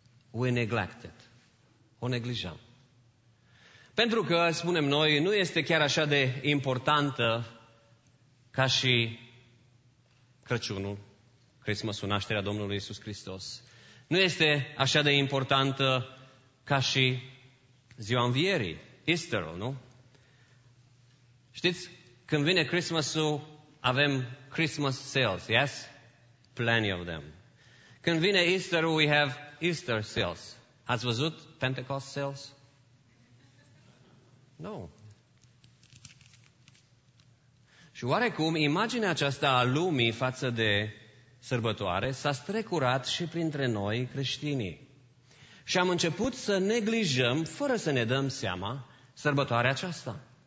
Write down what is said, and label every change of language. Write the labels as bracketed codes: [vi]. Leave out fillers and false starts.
[en] We neglect it. [ro] O neglijăm. Pentru că, spunem noi, nu este chiar așa de importantă ca și Crăciunul, Christmasul, nașterea Domnului Iisus Hristos. Nu este așa de importantă ca și ziua învierii, Easterul, nu? Știți, când vine Christmasul, avem [en] Christmas sales, yes? Plenty of them. [ro] Când vine [en] Easter, we have Easter sales. [ro] Ați văzut Pentecost sales? [en] No. [ro] Și oarecum, imaginea aceasta a lumii față de sărbătoare s-a strecurat și printre noi creștinii. Și am început să neglijăm, fără să ne dăm seama, sărbătoarea aceasta.